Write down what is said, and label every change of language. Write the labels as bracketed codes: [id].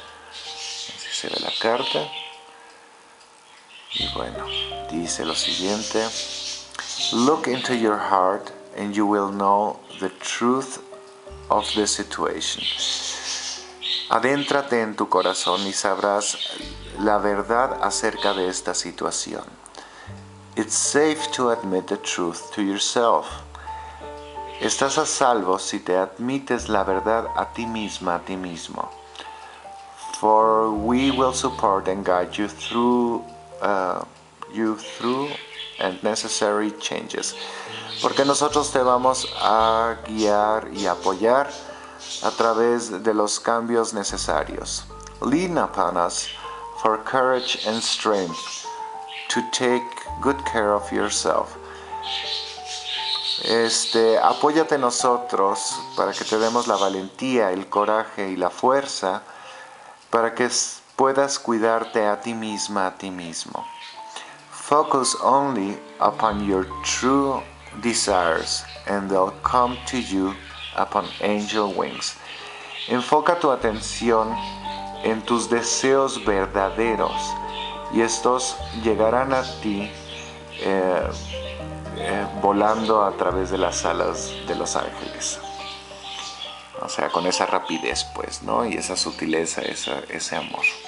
[es] Así se ve la carta. Y bueno, dice lo siguiente: [en] look into your heart and you will know the truth of the situation. [es] Adéntrate en tu corazón y sabrás la verdad acerca de esta situación. [en] It's safe to admit the truth to yourself. [es] Estás a salvo si te admites la verdad a ti misma, a ti mismo. [en] For we will support and guide you through and necessary changes. [es] Porque nosotros te vamos a guiar y apoyar a través de los cambios necesarios. [en] Lean upon us for courage and strength to take good care of yourself. [es] Apóyate en nosotros para que te demos la valentía, el coraje y la fuerza para que puedas cuidarte a ti misma, a ti mismo. [en] Focus only upon your true desires and they'll come to you upon angel wings. [es] Enfoca tu atención en tus deseos verdaderos y estos llegarán a ti volando a través de las alas de los ángeles. O sea, con esa rapidez, pues, ¿no? Y esa sutileza, ese amor.